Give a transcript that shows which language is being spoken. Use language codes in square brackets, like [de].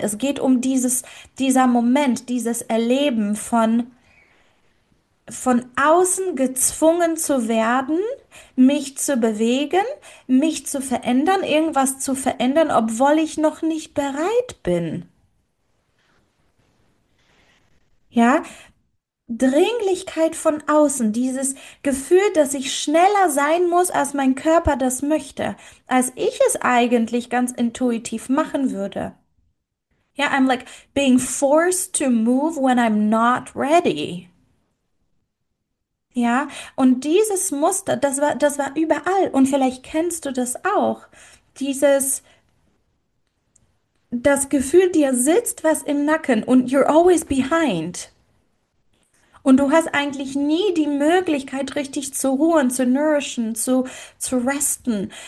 [de] Es geht um dieser Moment, dieses Erleben von außen gezwungen zu werden, mich zu bewegen, mich zu verändern, irgendwas zu verändern, obwohl ich noch nicht bereit bin. Ja? Dringlichkeit von außen, dieses Gefühl, dass ich schneller sein muss, als mein Körper das möchte, als ich es eigentlich ganz intuitiv machen würde. [en] Ja, yeah, I'm like being forced to move when I'm not ready. [de] Ja, und dieses Muster, das war überall und vielleicht kennst du das auch, dieses das Gefühl, dir sitzt was im Nacken und [en] you're always behind. [de] Und du hast eigentlich nie die Möglichkeit, richtig zu ruhen, zu nourishen, zu resten.